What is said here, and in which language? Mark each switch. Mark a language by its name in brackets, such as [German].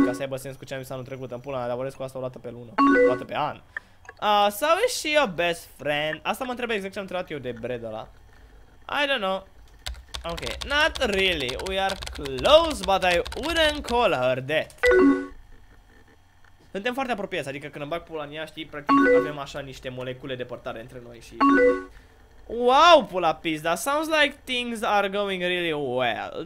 [Romanian] Ca să aibă sens cu ce am zis anul trecut în pula mea, dar vorbesc cu asta o dată pe lună, o dată pe an. [English] So is she your best friend? [Romanian] Asta mă întrebă exact ce am întrebat eu de Brad ăla. [English] I don't know. Ok, not really. We are close, but I wouldn't call her that. [Romanian] Suntem foarte apropiați, adică când îmi bag pula în ea, știi, practic avem așa niște molecule de părtare între noi și... [English] Wow, [Romanian] pula pizda, [English] sounds like things are going really well.